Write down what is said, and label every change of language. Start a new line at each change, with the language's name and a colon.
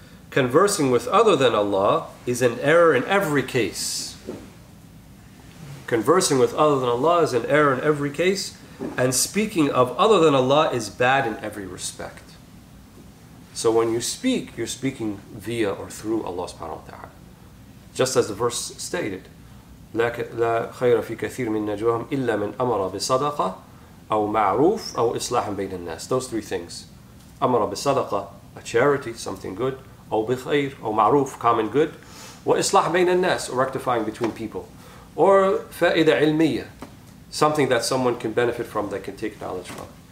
English: Conversing with other than Allah is an error in every case. Conversing with other than Allah is an error in every case, and speaking of other than Allah is bad in every respect. So when you speak, you're speaking via or through Allah subhanahu wa ta'ala. Just as the verse stated,
Arabic: لا خير في كثير من نجواهم إلا من أمر بصدقة أو معروف أو إصلاح بين الناس.
English: Those three things.
Arabic: أمر بصدقة,
English: a charity, something good.
Arabic: أو بخير, أو معروف,
English: common good.
Arabic: وإصلاح بين الناس,
English: or rectifying between people. Or
Arabic: فائدة علمية,
English: something that someone can benefit from, that can take knowledge from.